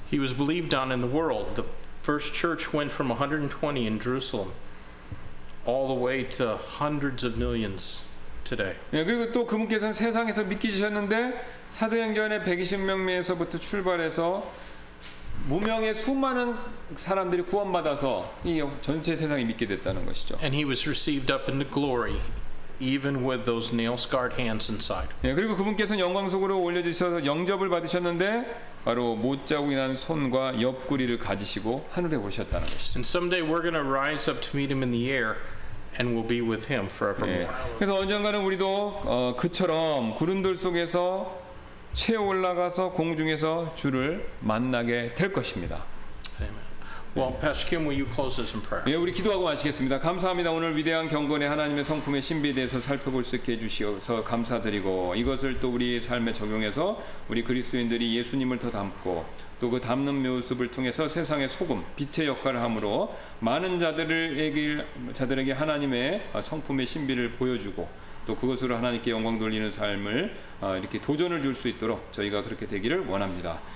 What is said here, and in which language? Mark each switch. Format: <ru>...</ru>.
<en>He was believed on in the world. The first church went from 120 in Jerusalem all the way to hundreds of millions today.</en> <ko>예, 그리고 또 그분께서는 세상에서 믿기 주셨는데 사도행전의 120명에서부터 출발해서 무명의 수많은 사람들이 구원받아서 이 전체 세상이 믿게 됐다는 것이죠.</ko> <en>And he was received up into glory even with those nail-scarred hands inside.</en> <ko>예, 그리고 그분께서는 영광 속으로 올려주셔서 영접을 받으셨는데 바로 못 자국이 난 손과 옆구리를 가지시고 하늘에 오셨다는 것이죠.</ko> <en>And someday we're going to rise up to meet him in the air and we'll be with him forevermore.</en> <ko>예, 그래서 언젠가는 우리도 그처럼 구름들 속에서 채워 올라가서 공중에서 주를 만나게 될 것입니다.</ko> <en>Well, Pastor Kim, will you close us in prayer?</en> <ko>예, 우리 기도하고 마치겠습니다. 감사합니다. 오늘 위대한 경건의 하나님의 성품의 신비에 대해서 살펴볼 수 있게 해주셔서 감사드리고 이것을 또 우리 삶에 적용해서 우리 그리스도인들이 예수님을 더 닮고 또 그 닮는 모습을 통해서 세상의 소금, 빛의 역할을 함으로 많은 자들에게 하나님의 성품의 신비를 보여주고 또 그것으로 하나님께 영광 돌리는 삶을 이렇게 도전을 줄 수 있도록 저희가 그렇게 되기를 원합니다.</ko>